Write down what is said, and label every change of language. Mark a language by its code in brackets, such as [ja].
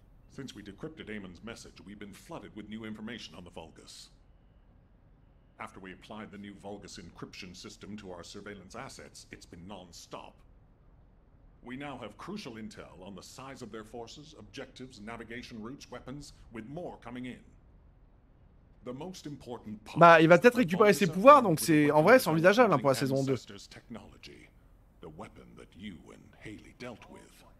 [en] Since we decrypted Aemon's message, we've been flooded with new information on the Vulgus. After we applied the new Vulgus encryption system to our surveillance assets, it's been non-stop. We now have crucial intel on the size of their forces, objectives, navigation routes, weapons, with more coming in. The most important part. [fr] Bah, il va peut-être récupérer ses pouvoirs, donc c'est en vrai, c'est envisageable pour la saison 2. [en] Technology, the weapon that you and Haley dealt with.